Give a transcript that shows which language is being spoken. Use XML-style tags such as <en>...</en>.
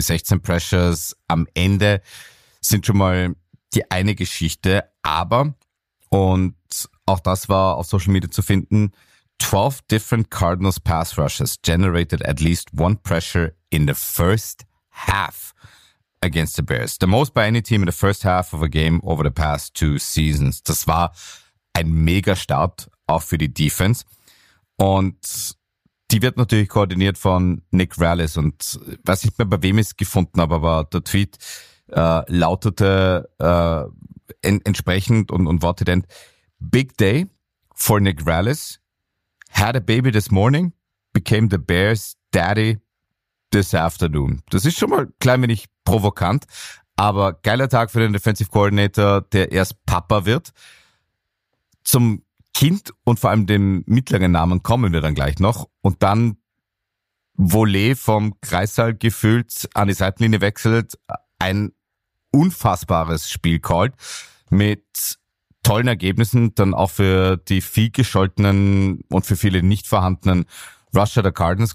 <de>Die 16 Pressures am Ende sind schon mal die eine Geschichte, aber, und auch das war auf Social Media zu finden,</de> <en>12 different Cardinals pass rushers generated at least one pressure in the first half against the Bears. The most by any team in the first half of a game over the past 2 seasons.</en> <de>Das war ein mega Start auch für die Defense. Und die wird natürlich koordiniert von Nick Rallis. Und weiß nicht mehr, bei wem ich es gefunden habe, aber der Tweet lautete entsprechend und wortet end:</de> <en>Big day for Nick Rallis. Had a baby this morning, became the Bears daddy this afternoon.</en> <de>Das ist schon mal klein wenig provokant, aber geiler Tag für den Defensive Coordinator, der erst Papa wird. Zum Kind und vor allem dem mittleren Namen kommen wir dann gleich noch. Und dann Volley vom Kreißsaal gefühlt an die Seitenlinie wechselt, ein unfassbares Spiel called mit tollen Ergebnissen, dann auch für die viel gescholtenen und für viele nicht vorhandenen Rusher der Cardinals.</de>